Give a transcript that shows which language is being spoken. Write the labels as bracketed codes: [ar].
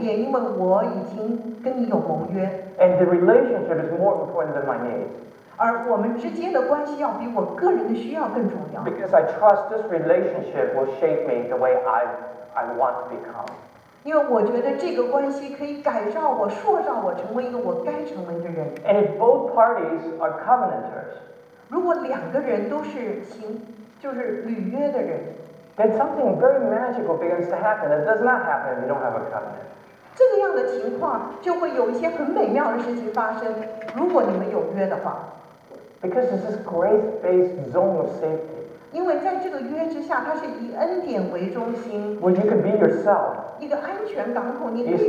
[zh] 我们两个彼此都需要改变，因为我已经跟你有盟约。 [en] And the relationship is more important than my needs. [zh] 而我们之间的关系要比我个人的需要更重要。 [en] Because I trust this relationship will shape me the way I want to become. [zh] 因为我觉得这个关系可以改造我，塑造我成为一个我该成为的人。 [en] And if both parties are covenanters, [zh] 如果两个人都是行，就是履约的人。 [en] Then something very magical begins to happen. It does not happen if you don't have a covenant. [zh] 这个样的情况就会有一些很美妙的事情发生，如果你们有约的话。 [en] Because it's this grace-based zone of safety. [zh] 因为在这个约之下，它是以恩典为中心。 [en] Where you can be yourself. [zh] 一个安全港口，你可以自己。